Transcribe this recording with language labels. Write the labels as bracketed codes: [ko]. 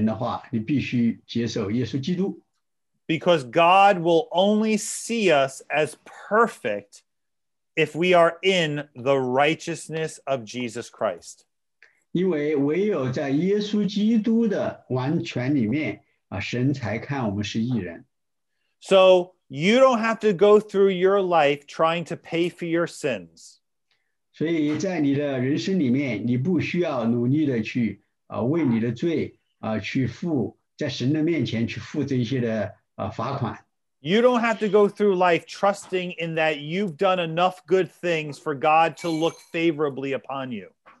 [zh] 而你要在神的眼里头成为义人的话，你必须接受耶稣基督。 [en] Because God will only see us as perfect if we are in the righteousness of Jesus Christ. [zh] 因为唯有在耶稣基督的完全里面，神才看我们是义人。 [en] So you don't have to go through your life trying to pay for your sins. [zh] 所以在你的人生里面，你不需要努力的去为你的罪去付，在神的面前去付这些的罚款。 [en] You don't have to go through life trusting in that you've done enough good things for God to look favorably upon you.